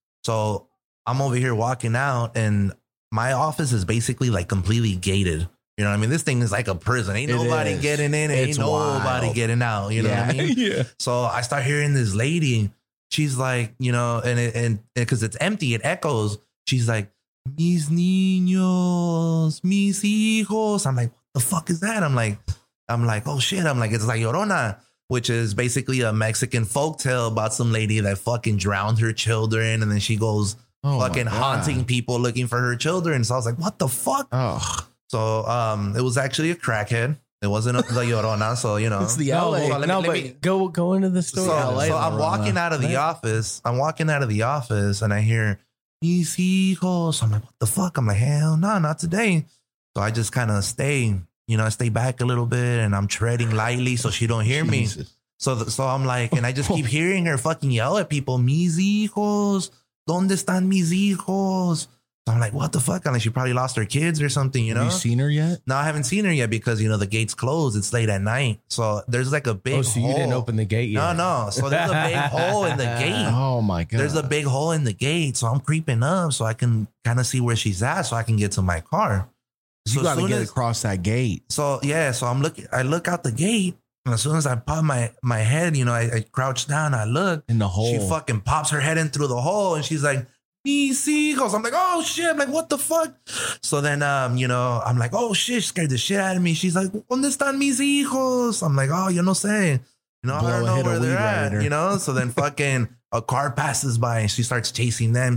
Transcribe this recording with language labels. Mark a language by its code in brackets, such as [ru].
[en] So I'm over here walking out and my office is basically like completely gated. You know what I mean? This thing is like a prison. Ain't nobody getting in. Ain't nobody getting out. You know what I mean? Yeah. So I start hearing this lady. She's like, because it's empty, it echoes. She's like, [es] mis niños, mis hijos. [en] I'm like, what the fuck is that? I'm like, oh shit. I'm like, it's La Llorona, which is basically a Mexican folktale about some lady that fucking drowned her children. And then she goes haunting people looking for her children. So I was like, what the fuck? Oh. So it was actually a crackhead. It wasn't the Llorona, so it's the LA. Go into the story. I'm walking out of the office and I hear [es] mis hijos. [en] I'm like, what the fuck? I'm like, hell no, not today. So I just kind of stay, I stay back a little bit and I'm treading lightly so she don't hear me. So I'm like, and I just keep hearing her fucking yell at people, [es] mis hijos, ¿dónde están mis hijos? [en] I'm like, what the fuck? I'm like, she probably lost her kids or something, Have you seen her yet? No, I haven't seen her yet because, the gate's closed. It's late at night. So there's like a big hole. Oh, so you didn't open the gate yet? No. So there's a big hole in the gate. Oh, my God. There's a big hole in the gate. So I'm creeping up so I can kind of see where she's at so I can get to my car. So you got to get across that gate. So I'm looking. I look out the gate. And as soon as I pop my head, I crouch down. I look. In the hole. She fucking pops her head in through the hole. And she's like, [es] mis hijos. [en] I'm like, oh shit. I'm like, what the fuck? So then, I'm like, oh shit, she scared the shit out of me. She's like, [es] ¿dónde están mis hijos? [en] I'm like, oh, [es] yo no sé. [en] I don't know where they're at, So then fucking a car passes by and she starts chasing them.